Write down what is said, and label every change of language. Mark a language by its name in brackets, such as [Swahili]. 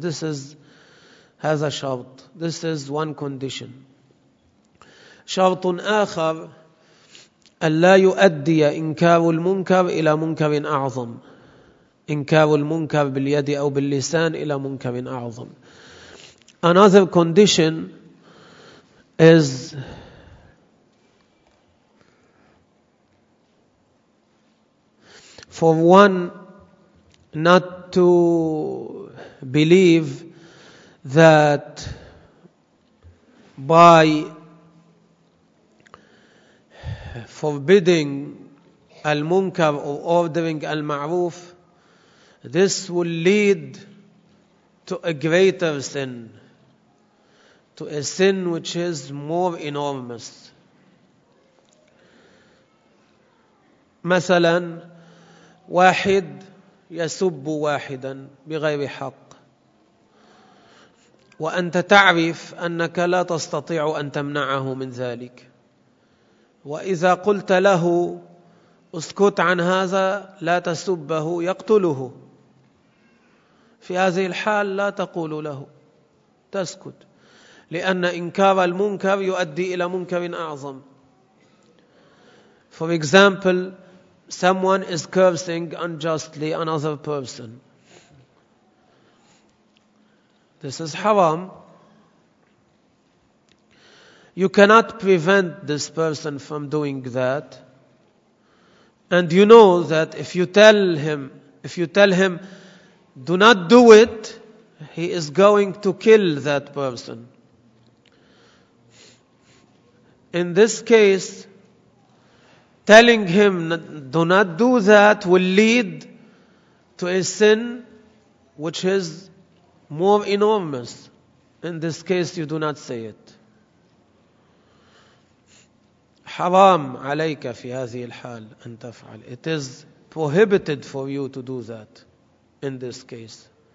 [English] This is [Arabic] هذا شرط. [English] This is one condition. [Arabic] شرط آخر أن لا يؤدي إنكار المنكر إلى منكر أعظم. إنكار المنكر باليد أو باللسان إلى منكر أعظم. [English] Another condition is for one not to believe that by forbidding al-munkar or ordering al-ma'roof, this will lead to a greater sin, to a sin which is more enormous. [Arabic] مثلا واحد يسب واحدا بغير حق وأنت تعرف أنك لا تستطيع أن تمنعه من ذلك, وإذا قلت له اسكت عن هذا لا تسبه يقتله, في هذه الحال لا تقول له, تسكت, لأن إنكار المنكر يؤدي إلى منكر أعظم. [English] For example, someone is cursing unjustly another person. This is haram. You cannot prevent this person from doing that. And you know that if you tell him, do not do it, he is going to kill that person. In this case, telling him, do not do that, will lead to a sin which is more enormous. In this case, you do not say it. [Arabic] حرام عليك في هذه الحال أن تفعل. [English] It is prohibited for you to do that in this case.